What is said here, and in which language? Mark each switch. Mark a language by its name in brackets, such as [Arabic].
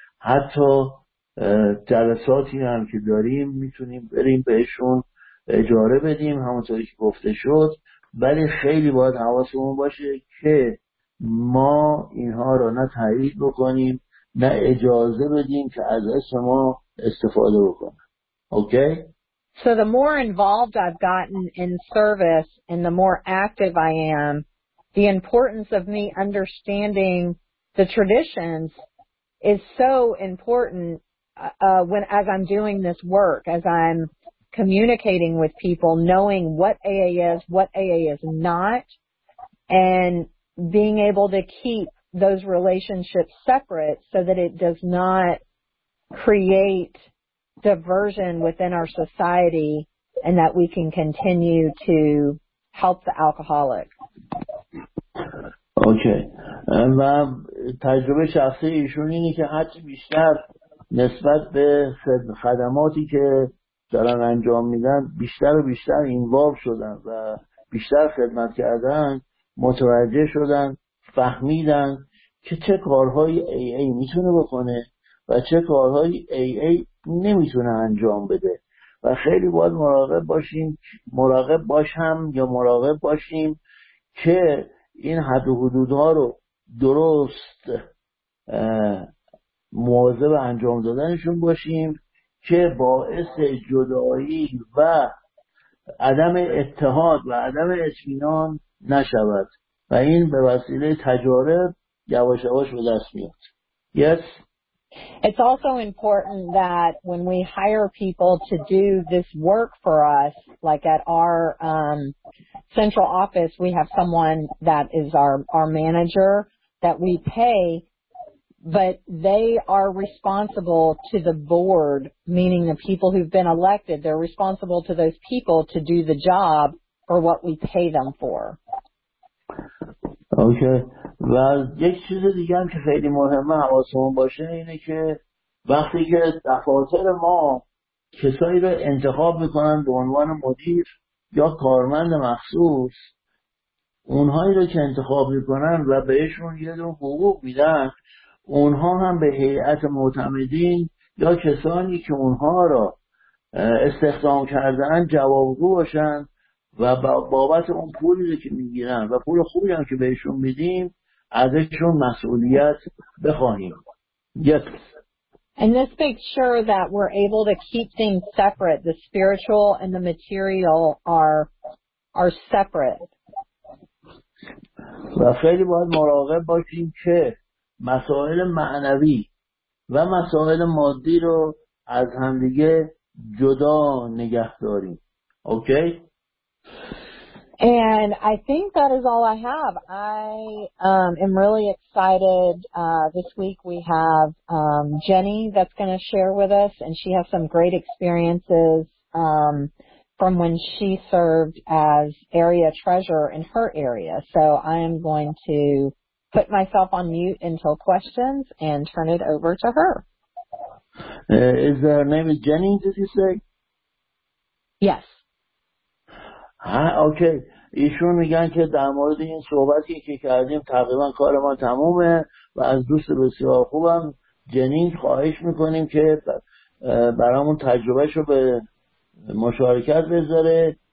[Persian] حتی جلساتی هم که داریم میتونیم بریم بهشون اجاره بدیم همونطوری که گفته شد، ولی خیلی باید حواسمون باشه که ما اینها رو نه تایید بکنیم نه اجازه بدیم که از شما استفاده بکنن. [English] Okay? So the more involved I've gotten in service and the more active I am, the importance of me understanding the traditions is so important when as I'm doing this work, as I'm communicating with people, knowing what AA is, what AA is not, and being able to keep those relationships separate so that it does not create diversion within our society and that we can continue to help the alcoholic. Okay. [Persian] و تجربه شخصی ایشون اینه که حتی بیشتر نسبت به خدماتی که دارن انجام میدن بیشتر و بیشتر اینوالو شدن و بیشتر خدمت کردن، متوجه شدن، فهمیدن که چه کارهای AA میتونه بکنه و چه کارهای AA نمیتونه انجام بده. و خیلی باید مراقب باشیم، مراقب باشم یا مراقب باشیم که این حد و حدودها رو درست مواظب انجام دادنشون باشیم که باعث جدایی و عدم اتحاد و عدم اطمینان نشود و این به وسیله تجارب یواش یواش به دست میاد. [English] Yes. It's also important that when we hire people to do this work for us, like at our central office, we have someone that is our manager that we pay, but they are responsible to the board, meaning the people who've been elected, they're responsible to those people to do the job for what we pay them for. Okay. [Persian] و یک چیز دیگه هم که خیلی مهمه حواسمون باشه اینه که وقتی که دفاتر ما کسایی رو انتخاب میکنن به عنوان مدیر یا کارمند مخصوص، اونهایی رو که انتخاب میکنن و بهشون یه دون حقوق میدن، اونها هم به هیئت معتمدین یا کسانی که اونها را استخدام کردن جوابگو باشن و بابت اون پولی که میگیرن و پول خوبی هم که بهشون میدیم ازشون مسئولیت بخواهیم. [English] Yes. And this makes sure that we're able to keep things separate. The spiritual and the material are separate. و خیلی باید مراقب باشیم که مسائل معنوی و مسائل مادی رو از همدیگه جدا نگه داریم. Okay? And I think that is all I have. I am really excited. This week we have Jenny that's going to share with us, and she has some great experiences from when she served as area treasurer in her area. So I am going to put myself on mute until questions and turn it over to her. Is her name is Jenny, did you say? Yes. Okay. [Persian] ایشون میگن که در مورد این صحبتی که کردیم تقریبا کار ما تمومه و از دوست بسیار خوبم جنین خواهش میکنیم که برامون تجربهشو به مشارکت بذاره.